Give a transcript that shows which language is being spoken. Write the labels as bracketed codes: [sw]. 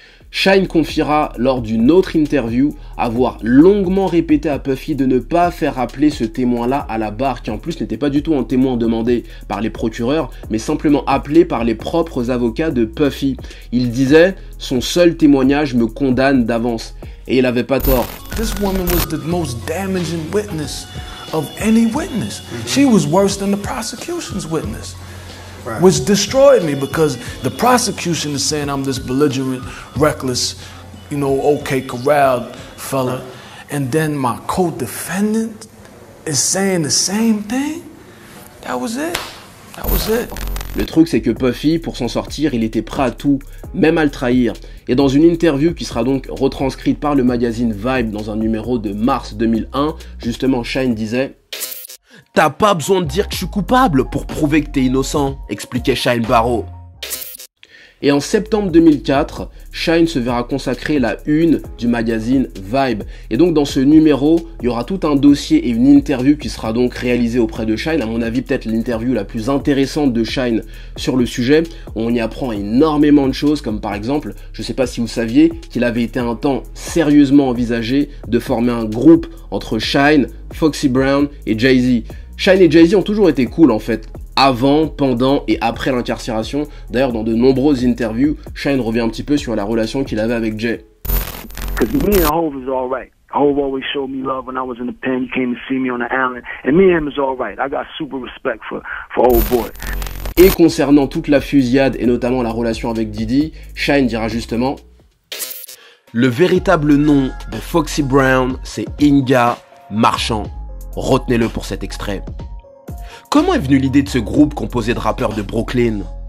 [fr] Shine confiera lors d'une autre interview avoir longuement répété à Puffy de ne pas faire appeler ce témoin-là à la barre, qui en plus n'était pas du tout un témoin demandé par les procureurs, mais simplement appelé par les propres avocats de Puffy. Il disait « Son seul témoignage me condamne d'avance ». Et il avait pas tort. [en] This woman was the most damaging witness of any witness. She was worse than the prosecution's witness. Right. Which destroyed me because the prosecution is saying I'm this belligerent, reckless, you know, OK Corral fella. Right. And then my co-defendant is saying the same thing? That was it. That was it. [fr] Le truc, c'est que Puffy, pour s'en sortir, il était prêt à tout, même à le trahir. Et dans une interview qui sera donc retranscrite par le magazine Vibe dans un numéro de mars 2001, justement, Shine disait « T'as pas besoin de dire que je suis coupable pour prouver que t'es innocent », expliquait Shine Barrow. Et en septembre 2004, Shine se verra consacrer la une du magazine Vibe. Et donc dans ce numéro, il y aura tout un dossier et une interview qui sera donc réalisée auprès de Shine. À mon avis, peut-être l'interview la plus intéressante de Shine sur le sujet. On y apprend énormément de choses, comme par exemple, je ne sais pas si vous saviez, qu'il avait été un temps sérieusement envisagé de former un groupe entre Shine, Foxy Brown et Jay-Z. Shine et Jay-Z ont toujours été cool en fait. Avant, pendant et après l'incarcération. D'ailleurs, dans de nombreuses interviews, Shine revient un petit peu sur la relation qu'il avait avec Jay. [en] Because me and Hov is all right. Hov always showed me love when I was in the pen. He came to see me on the island. And me and him is all right. I got super respect for old boy. [fr] Et concernant toute la fusillade et notamment la relation avec Diddy, Shine dira justement: le véritable nom de Foxy Brown, c'est Inga Marchand. Retenez-le pour cet extrait. Comment est venue l'idée de ce groupe composé de rappeurs de Brooklyn?